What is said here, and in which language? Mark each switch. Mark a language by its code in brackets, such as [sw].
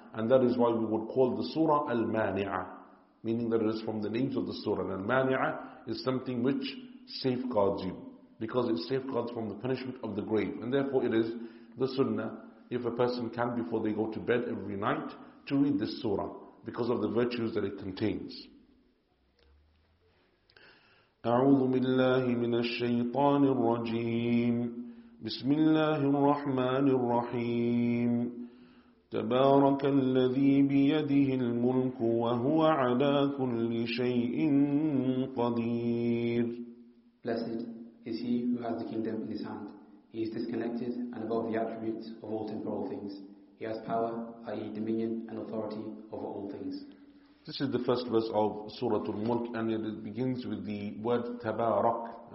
[en] And that is why we would call the surah al-mani'ah, meaning that it is from the names of the surah. And al-mani'ah is something which safeguards you, because it safeguards from the punishment of the grave. And therefore it is the sunnah, if a person can, before they go to bed every night, to read this surah, because of the virtues that it contains. [ar] أعوذ بالله من الشيطان الرجيم بسم الله الرحمن الرحيم تبارك الذي بيده الملك وهو على كل شيء قدير. [en] Blessed is he who has the kingdom in his hand. He is disconnected and above the attributes of all temporal things. He has power, i.e. dominion and authority over all things. This is the first verse of Suratul Mulk, and it begins with the word Tabarak.